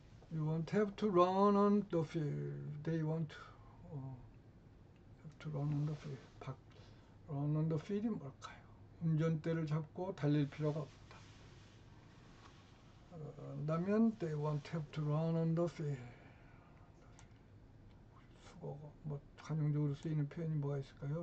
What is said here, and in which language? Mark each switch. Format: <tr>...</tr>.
<en>You won't have to run on the field. They won't have to run on the field. Run on the field</en> <ko>이 뭘까요? 운전대를 잡고 달릴 필요가 없다. 그런다면</ko> <en>they won't have to run on the field.</en> <ko>수고 뭐 관용적으로 쓰이는 표현이 뭐가 있을까요?</ko>